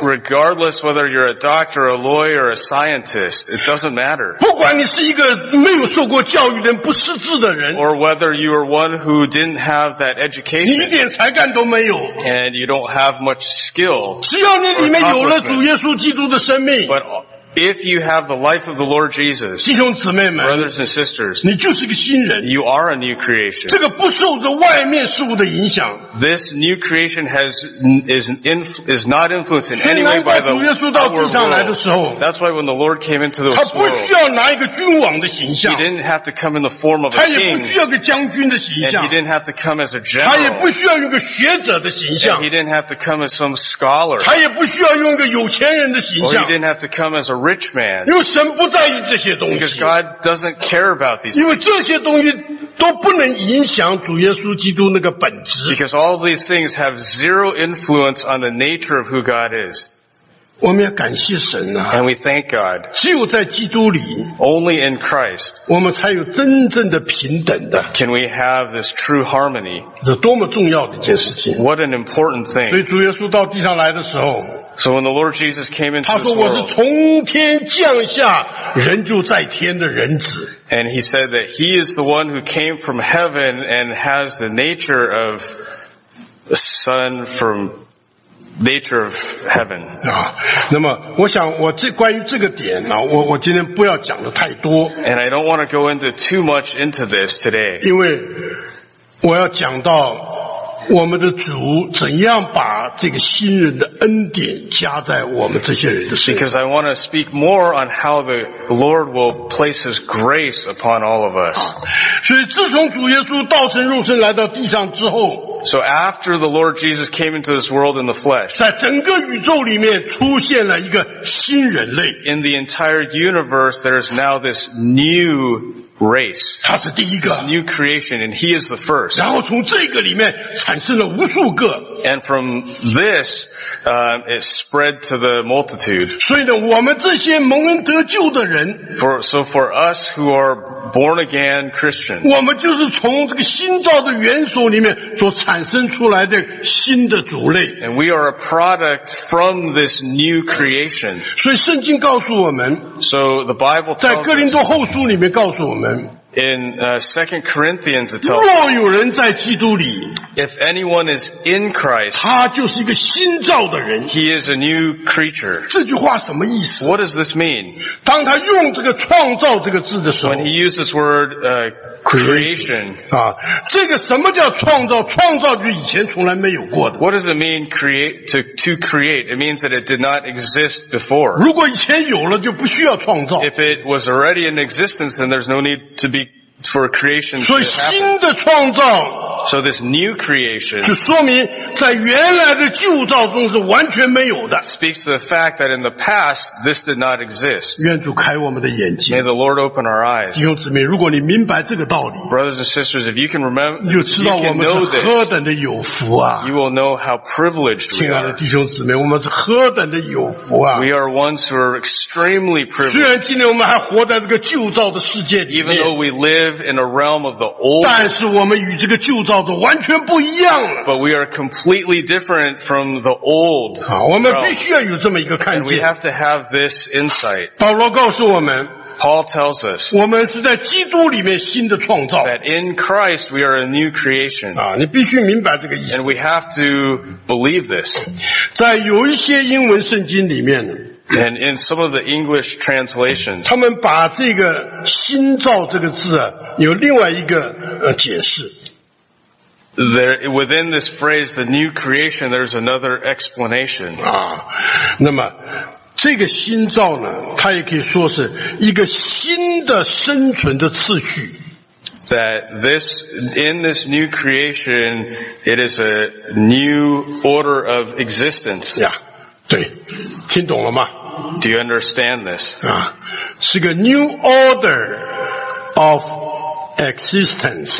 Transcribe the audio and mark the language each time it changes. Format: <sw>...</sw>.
<en>Regardless whether you're a doctor, a lawyer, or a scientist, it doesn't matter.</en> <zh>不管你是一个没有受过教育的人，不识字的人，</zh> <en>or whether you are one who didn't have that education,</en> <zh>你一点才干都没有，</zh> <en>and you don't have much skill,</en> <zh>只要你里面有了主耶稣基督的生命。</zh> <en>But if you have the life of the Lord Jesus,</en> <zh>弟兄姊妹们，</zh> <en>brothers and sisters,</en> <zh>你就是个新人，</zh> <en>you are a new creation.</en> <zh>这个不受着外面事物的影响。</zh> <en>This new creation is not influenced in any way by the world.</en> <zh>主耶稣到地上来的时候，</zh> <en>That's why when the Lord came into this world,</en> <zh>他不需要拿一个君王的形象，</zh> <en>he didn't have to come in the form of a king.</en> <zh>他也不需要个将军的形象，</zh> <en>and he didn't have to come as a general.</en> <zh>他也不需要用个学者的形象，</zh> <en>and he didn't have to come as some scholar.</en> <zh>他也不需要用个有钱人的形象，</zh> <en>or he didn't have to come as a rich man.</en> <zh>因为神不在意这些东西，</zh> <en>because God doesn't care about these things.</en> <zh>因为这些东西都不能影响主耶稣基督那个本质。</zh> <en>Because all these things have zero influence on the nature of who God is.</en> <zh>我们要感谢神啊，</zh> <en>and we thank God.</en> <zh>只有在基督里，</zh> <en>only in Christ,</en> <zh>我们才有真正的平等的，</zh> <en>can we have this true harmony.</en> <zh>这多么重要的一件事情。</zh> <en>What an important thing.</en> <zh>所以主耶稣到地上来的时候，</zh> <en>So when the Lord Jesus came into this world,</en> <zh>他说我是从天降下人就在天的人子。</zh> <en>And he said that he is the one who came from heaven and has the nature of the son from nature of heaven.</en> <zh>啊，那么我想我这关于这个点呢，我今天不要讲的太多。</zh> <en>And I don't want to go into too much into this today.</en> <zh>因为我要讲到我们的主怎样把这个新人的恩典加在我们这些人的身上。</zh> <en>Because I want to speak more on how the Lord will place His grace upon all of us.</en> <zh>所以自从主耶稣道成肉身来到地上之后，</zh> <en>So after the Lord Jesus came into this world in the flesh,</en> <zh>在整个宇宙里面出现了一个新人类。</zh> <en>In the entire universe, there is now this new race.</en> <zh>他是第一个。</zh> <en>This new creation, and He is the first.</en> <zh>然后从这个里面产生了无数个。</zh> <en>And from this, it spread to the multitude.</en> <zh>所以呢，我们这些蒙恩得救的人。</zh> <en>So for us who are born again Christians.</en> <zh>我们就是从这个新造的元首里面所产生出来的新的族类。</zh> <en>And we are a product from this new creation.</en> <zh>所以圣经告诉我们。</zh> <en>So the Bible tells us.</en> <zh>在哥林多后书里面告诉我们。</zh> <en>In 2 Corinthians, it tells us, if anyone is in Christ, he is a new creature.</en> <zh>这句话什么意思?</zh> <en>What does this mean?</en> <zh>当他用这个创造这个字的时候,</zh> <en>when he uses this word, creation,</en> <zh>啊，这个什么叫创造? 创造就以前从来没有过的。</zh> <en>What does it mean to create? It means that it did not exist before.</en> <zh>如果以前有了就不需要创造。</zh> <en>If it was already in existence, then there's no need to be for creation to happen.</en> <zh>所以新的创造,</zh> <en>so this new creation,</en> <zh>就说明在原来的旧造中是完全没有的。</zh> <en>Speaks to the fact that in the past, this did not exist.</en> <zh>愿主开我们的眼睛。</zh> <en>May the Lord open our eyes.</en> <zh>弟兄姊妹，如果你明白这个道理，</zh> <en>Brothers and sisters, if you can remember,</en> <zh>你就知道我们是何等的有福啊。</zh> <en>You will know how privileged we are.</en> <zh>亲爱的弟兄姊妹，我们是何等的有福啊。</zh> <en>We are ones who are extremely privileged.</en> <zh>虽然今天我们还活在这个旧造的世界里面，</zh> <en>Even though we live in a realm of the old,</en> <zh>但是我们与这个旧造的完全不一样了。</zh> <en>But we are completely different from the old.</en> <zh>好，我们必须要有这么一个看见。</zh> <en>We have to have this insight.</en> <zh>保罗告诉我们，</zh> <en>Paul tells us,</en> <zh>我们是在基督里面新的创造。</zh> <en>That in Christ we are a new creation.</en> <zh>啊，你必须明白这个意思。</zh> <en>And we have to believe this.</en> <zh>在有一些英文圣经里面。</zh> <en>And in some of the English translations,</en> <zh>他们把这个新造这个字啊，有另外一个解释。</zh> <en>There, within this phrase, the new creation, there's another explanation.</en> <zh>啊，那么这个新造呢，它也可以说是一个新的生存的次序。</zh> <en>That this, in this new creation, it is a new order of existence.</en> <zh>Yeah. 对，听懂了吗？</zh> <en>Do you understand this?</en> <zh>啊，是个</zh> <en>new order of existence.</en>